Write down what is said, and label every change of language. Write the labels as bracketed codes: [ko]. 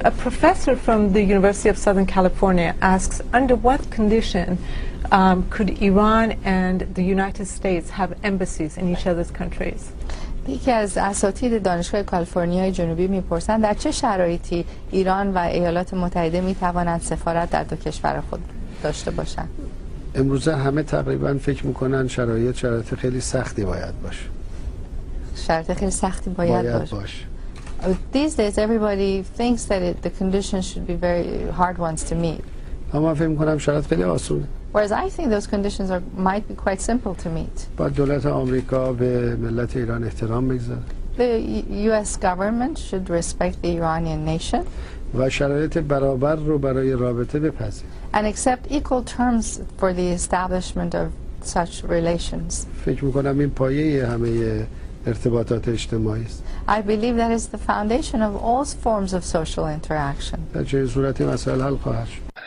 [en] A professor from the University of Southern California asks, under what condition could Iran and the United States have embassies in each other's countries? [fa] یکی از اساتید دانشگاه کالیفرنیای جنوبی میپرسند در چه شرایطی ایران و ایالات متحده میتوانند سفارت در دو کشور خود داشته باشند. امروزه همه تقریبا فکر میکنن شرایط خیلی سختی باید باشه. شرایط خیلی سختی باید باشه. [en] These days everybody thinks that the conditions should be very hard ones to meet. [fa] اما فکر میکنم شرایط خیلی آسونه. [en] Whereas I think those conditions might be quite simple to meet. [fa] باید دولت آمریکا به ملت ایران احترام بگذاره. [en] The U.S. government should respect the Iranian nation. [fa] و شرایط برابر رو برای رابطه بپذیر. [en] And accept equal terms for the establishment of such relations. [fa] فکر میکنم این پایه همه ارتباطات اجتماعی است. [en] I believe that is the foundation of all forms of social interaction. [fa] در چه صورتی مسائل حل خواهد شد؟